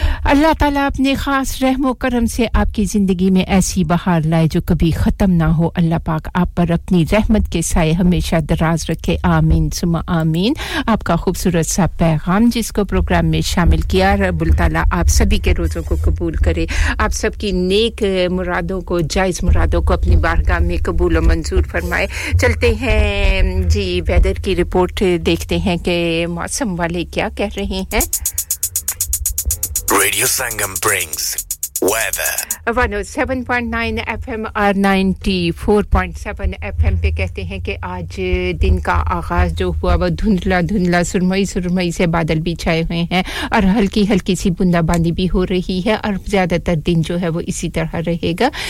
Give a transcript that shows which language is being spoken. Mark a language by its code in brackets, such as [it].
[hi] अल्लाह ताला अपने खास रहम और करम से आपकी जिंदगी में ऐसी बहार लाए जो कभी खत्म ना हो अल्लाह पाक आप पर अपनी रहमत के साए हमेशा दराज रखे आमीन सुमा आमीन आपका खूबसूरत सा पैगाम जिसको प्रोग्राम में शामिल किया रब्बुल ताला आप सभी के रोजों को कबूल करे आप सबकी नेक मुरादों को जायज मुरादों को अपनी बारगाह में कबूल और मंजूर फरमाए चलते हैं जी वेदर की रिपोर्ट देखते हैं कि मौसम वाले क्या कह रहे हैं [en] Radio Sangam brings weather. [hi] 107.9 FM और 94.7 FM पे कहते हैं कि आज दिन का आगाज जो हुआ वो धुंधला धुंधला सुरमई सुरमई से बादल भी छाए हुए हैं और हल्की हल्की सी बूंदाबांदी भी हो रही है और ज्यादातर दिन जो है वो इसी तरह रहेगा